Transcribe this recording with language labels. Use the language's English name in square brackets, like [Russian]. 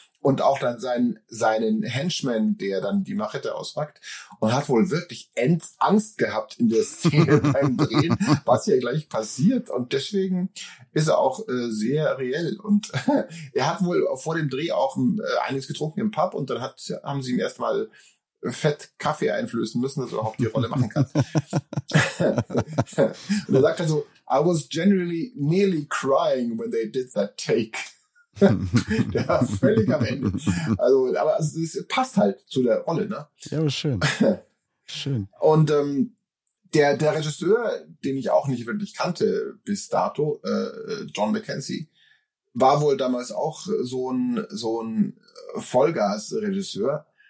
[German] Und auch dann seinen Henchman, der dann die Machete auspackt, und hat wohl wirklich Angst gehabt in der Szene beim Drehen, was hier gleich passiert. Und deswegen ist er auch sehr reell. Und er hat wohl vor dem Dreh auch einiges getrunken im Pub und dann haben sie ihm erstmal Fett Kaffee einflößen müssen, dass er überhaupt die Rolle machen kann. Und er sagt dann so, [English] I was genuinely nearly crying when they did that take. [German] Der war völlig am Ende. Also, aber es passt halt zu der Rolle, ne? Ja, aber schön. Schön. Und der Regisseur, den ich auch nicht wirklich kannte bis dato, John McKenzie, war wohl damals auch so ein Vollgas-Regisseur.